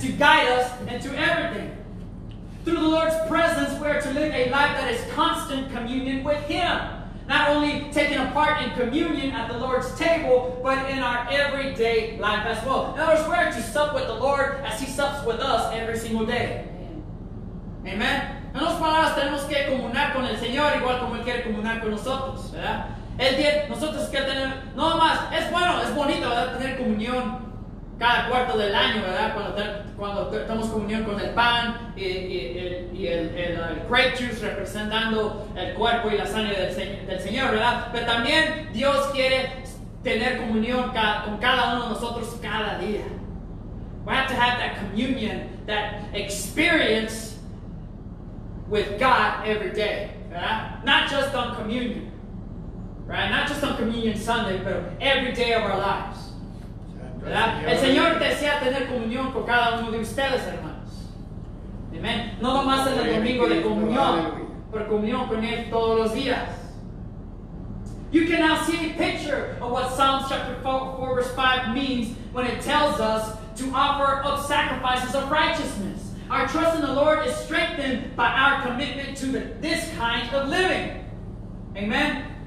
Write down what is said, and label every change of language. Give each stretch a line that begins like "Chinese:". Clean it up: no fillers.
English: To guide us into everything. Through the Lord's presence, we are to live a life that is constant communion with Him. Not only taking a part in communion at the Lord's table, but in our everyday life as well. In other words, we're to sup with the Lord as He sups with us every single day. Amen.
Spanish: En otras palabras, tenemos que comunar con el Señor igual como Él quiere comunar con nosotros, ¿verdad? Él tiene, nosotros que tenemos, no más, es bueno, es bonito, ¿verdad? Tener comunión cada cuarto del año, ¿verdad? Cuando tenemos comunión con el pan y el grape juice representando el cuerpo y la sangre del Señor, ¿verdad? Pero también Dios quiere tener comunión con cada uno de nosotros cada día.
English: We have to have that communion, that experience with God every day,
Spanish: ¿verdad?
English: Not just on communion, right? Not just on communion Sunday, but every day of our lives.
Spanish: ¿Verdad? El Señor desea tener comunión con cada uno de ustedes, hermanos. Amen. no nomás en el domingo de comunión, pero comunión con él todos los días.
English: You can now see a picture of what Psalms chapter 4 verse 5 means when it tells us to offer up sacrifices of righteousness. Our trust in the Lord is strengthened by our commitment to this kind of living. Amen.